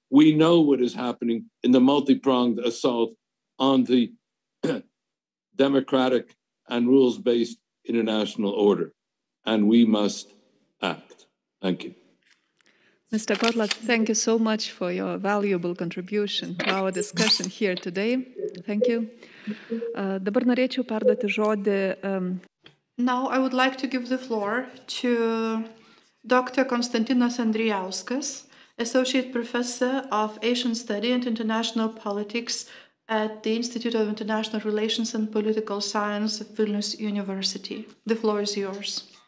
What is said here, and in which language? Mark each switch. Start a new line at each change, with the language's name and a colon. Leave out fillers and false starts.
English: We know what is happening in the multi-pronged assault on the democratic and rules-based international order. And we must act. Thank you. Mr. Kotlat, thank you so much for your valuable contribution to our discussion here today. Thank you.
Lithuanian: Dabar norėčiau perduoti žodį.
English: Now I would like to give the floor to Dr. Konstantinas Andrijauskas, Associate Professor of Asian Study and International Politics at the Institute of International Relations and Political Science of Vilnius University. The floor is yours.